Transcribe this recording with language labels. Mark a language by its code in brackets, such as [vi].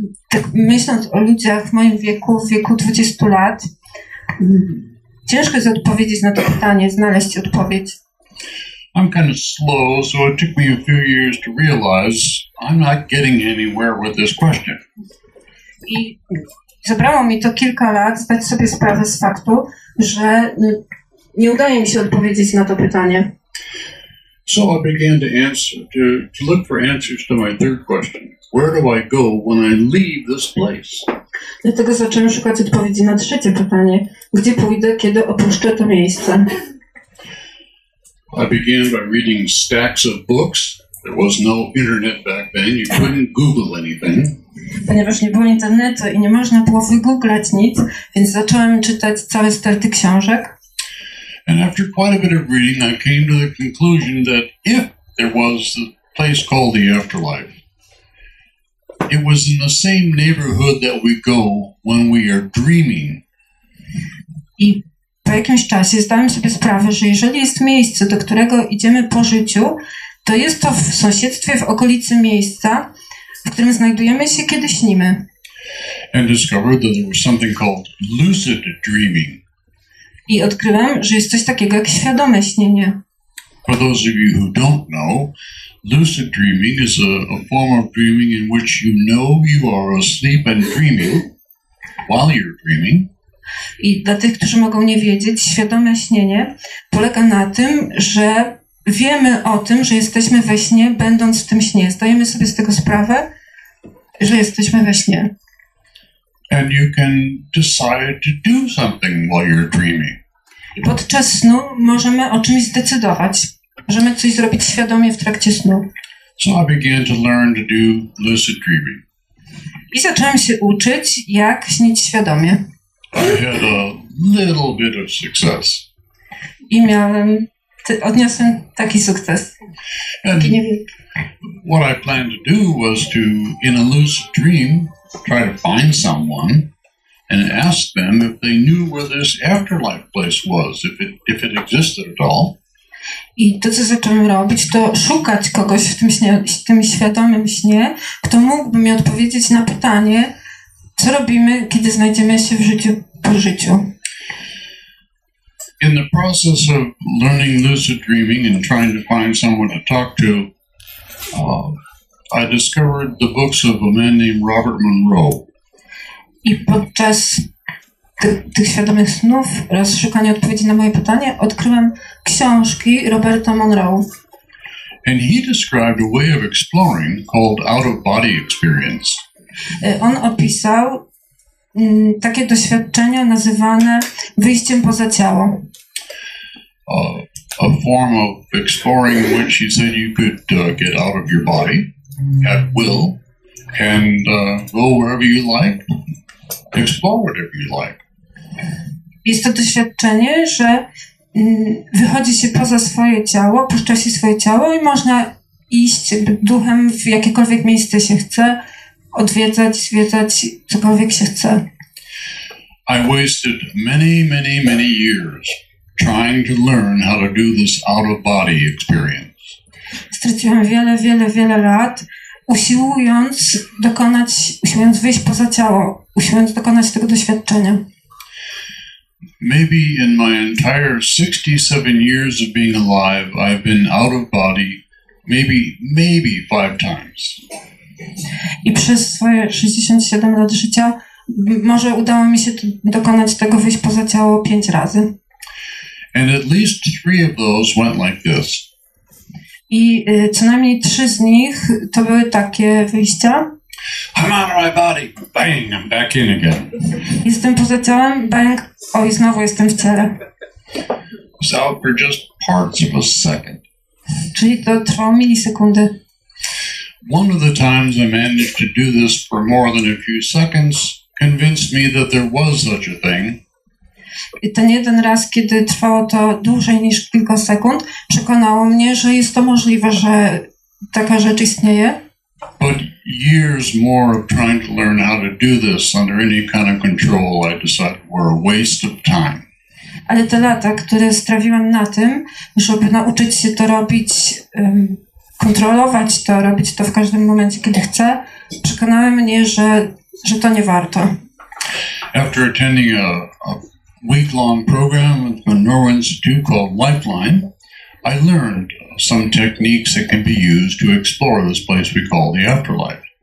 [pl] Tak myśląc o ludziach w moim wieku, w wieku 20 lat, ciężko jest odpowiedzieć na to pytanie, znaleźć odpowiedź. [en] I'm kind of slow, so it took me a few years to realize I'm not getting anywhere with this question. [pl] I zabrało mi to kilka lat zdać sobie sprawę z faktu, że nie udaje mi się odpowiedzieć na to pytanie. [en] So I began to answer, to look for answers to my third question. Where do I go when I leave this place? [pl] Dlatego zacząłem szukać odpowiedzi na trzecie pytanie. Gdzie pójdę, kiedy opuszczę to miejsce? [en] I began by reading stacks of books. There was no internet back then. You couldn't Google anything. [pl] Ponieważ nie było internetu i nie można było wygooglać nic, więc zacząłem czytać całe starty książek. [en] And after quite a bit of reading, I came to the conclusion that if there was a place called the afterlife, it was in the same neighborhood that we go when we are dreaming. [pl] I po jakimś czasie zdałem sobie sprawę, że jeżeli jest miejsce, do którego idziemy po życiu, to jest to w sąsiedztwie, w okolicy miejsca, w którym znajdujemy się, kiedy śnimy. [en] And discovered that there was something called lucid dreaming. [pl] I odkryłem, że jest coś takiego jak świadome śnienie. [en] For those of you who don't know, lucid dreaming is a form of dreaming in which you know you are asleep and dreaming while you're dreaming. [pl] I dla tych, którzy mogą nie wiedzieć, świadome śnienie polega na tym, że wiemy o tym, że jesteśmy we śnie, będąc w tym śnie. Zdajemy sobie z tego sprawę, że jesteśmy we śnie. [en] And you can decide to do something while you're dreaming. [pl] I podczas snu możemy o czymś zdecydować. Możemy coś zrobić świadomie w trakcie snu. [en] So I began to learn to do lucid dreaming. [pl] I zacząłem się uczyć, jak śnić świadomie. [en] I had a little bit of success. [pl] I miałem, odniosłem taki sukces. Taki niewielki. [en] What I planned to do was to, in a lucid dream, try to find someone and ask them if they knew where this afterlife place was, if it existed at all. [pl] I to, co zacząłem robić, to szukać kogoś w tym śnie, w tym świadomym śnie, kto mógłby mi odpowiedzieć na pytanie, co robimy, kiedy znajdziemy się w życiu po życiu. [en] In the process of learning lucid dreaming and trying to find someone to talk to, I discovered the books of a man named Robert Monroe. [pl] I podczas tych świadomych snów oraz szukania odpowiedzi na moje pytanie odkryłem książki Roberta Monroe. [en] And he described a way of exploring called out-of-body experience. [pl] On opisał takie doświadczenia nazywane wyjściem poza ciało. [en] A form of exploring in which he said you could get out of your body at will and go wherever you like, explore whatever you like. [pl] Jest to doświadczenie, że wychodzi się poza swoje ciało, opuszcza się swoje ciało i można iść duchem w jakiekolwiek miejsce się chce, odwiedzać, zwiedzać, cokolwiek się chce. [en] I wasted many, many, many years trying to learn how to do this out-of-body experience. [pl] Straciłem wiele, wiele, wiele lat, usiłując wyjść poza ciało, usiłując dokonać tego doświadczenia. [en] Maybe in my entire 67 years of being alive, I've been out of body maybe 5 times. [pl] I przez swoje 67 lat życia może udało mi się dokonać tego wyjść poza ciało 5 razy. [en] And at least 3 of those went like this. [pl] I co najmniej 3 z nich to były takie wyjścia. [en] I'm out of my body. Bang, I'm back in again. [pl] Jestem poza ciałem. Bang. Oj, znowu jestem w ciele. [en] It's out for just parts of a second. [pl] Czyli to trwało milisekundy. [en] One of the times I managed to do this for more than a few seconds convinced me that there was such a thing. [pl] I ten jeden raz, kiedy trwało to dłużej niż kilka sekund, przekonało mnie, że jest to możliwe, że taka rzecz istnieje. [en] But years more of trying to learn how to do this under any kind of control, I decided, were a waste of time. [pl] Ale te lata, które strawiłem na tym, żeby nauczyć się to robić, kontrolować to, robić to w każdym momencie, kiedy chcę, przekonały mnie, że to nie warto. [en] After attending a week-long program with the Monroe Institute called Lifeline, I learned some techniques that can be used to explore this place we call the afterlife.